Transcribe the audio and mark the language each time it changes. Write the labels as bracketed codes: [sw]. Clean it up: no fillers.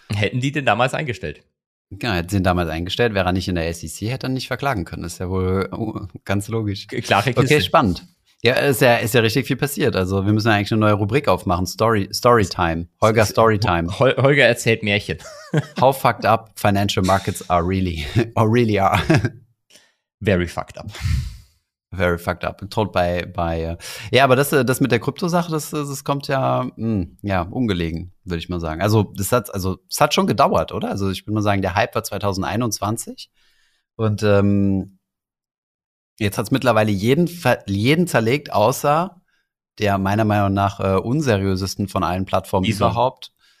[de] Hätten die den damals eingestellt? Ja, hätten sie ihn damals eingestellt. Wäre er nicht in der SEC, hätte er nicht verklagen können. Das ist ja wohl ganz logisch. Klare Kiste. Okay, spannend. Ja, ist ja richtig viel passiert. Also wir müssen eigentlich eine neue Rubrik aufmachen. Storytime. Holger Storytime. Holger erzählt Märchen. [en] How fucked up financial markets are really. Or really are. Very fucked up. Very fucked up. Told by [de] ja, aber das mit der Krypto-Sache, das kommt ja, ungelegen, würde ich mal sagen. Also, es hat schon gedauert, oder? Also, ich würde mal sagen, der Hype war 2021. Und jetzt hat es mittlerweile jeden zerlegt, außer der meiner Meinung nach unseriösesten von allen Plattformen überhaupt.